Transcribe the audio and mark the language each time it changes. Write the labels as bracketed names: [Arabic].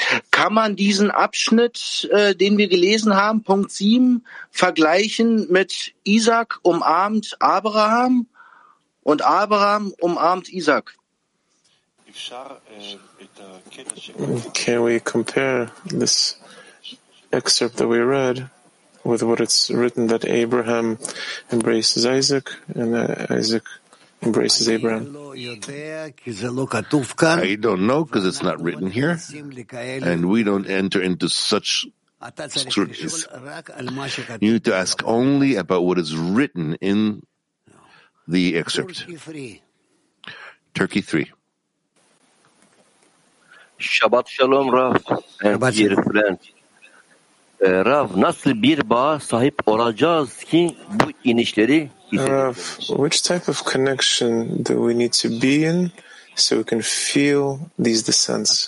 [German] Kann man diesen Abschnitt, den wir gelesen haben, Punkt 7, vergleichen mit Isaac umarmt Abraham und Abraham umarmt Isaac? [English] Can we compare this excerpt that we read with what it's written that Abraham embraces Isaac and Isaac embraces Abraham? I don't know because it's not written here and we don't enter into such scrutinies. You need to ask only about what is written in the excerpt. Turkey 3. Shabbat shalom, Rav, and Shabbat dear friends. [Turkish] Rav, nasıl bir bağ sahip olacağız ki bu inişleri hissedebiliriz? [English] Rav, which type of connection do we need to be in so we can feel these descents?